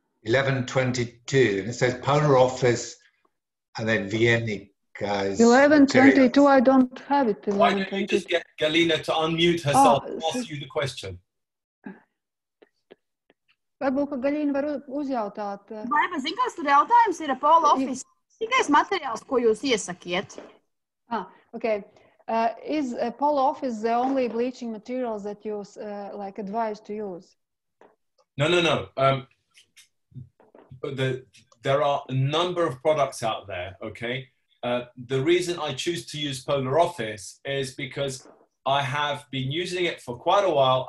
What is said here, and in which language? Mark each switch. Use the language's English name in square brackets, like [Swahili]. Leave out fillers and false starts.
[English] 11:22, and it says polar office, and then Viennica is... 11:22, I don't have it. Why don't you just get Galina to unmute herself and ask you the question? [Latvian] Varbūt, ka Galina var uzjautāt... Vai, zin, kāds tur jautājums ir polar office? Tikais materiāls, ko jūs iesakiet? [English] Ah, okay. Is Pola Office the only bleaching material that you like advise to use? No, no, no. There are a number of products out there, okay? The reason I choose to use Pola Office is because I have been using it for quite a while.